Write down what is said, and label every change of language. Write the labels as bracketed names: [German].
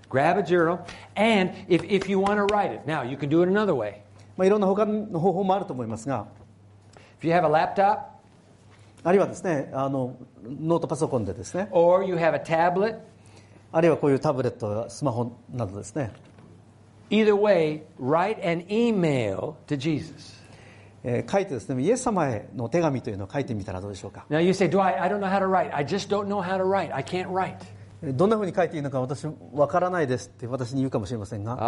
[English] Grab a journal and if you want to write it, now you can do it another way. [Japanese] まあいろんな他の方法もあると思いますが、 [English] If you have a laptop. [Japanese] あるいはですね、ノートパソコンでですね。 [English] Or you have a tablet. [Japanese] あるいはこういうタブレット、スマホなどですね。 [English] Either way, write an email to Jesus. [Japanese] 書いてですね、イエス様への手紙というのを書いてみたらどうでしょうか。 [English] Now you say, Dwight, I don't know how to write. I just don't know how to write. I can't write. [Japanese] どんなふうに書いていいのか私わからないですって私に言うかもしれませんが。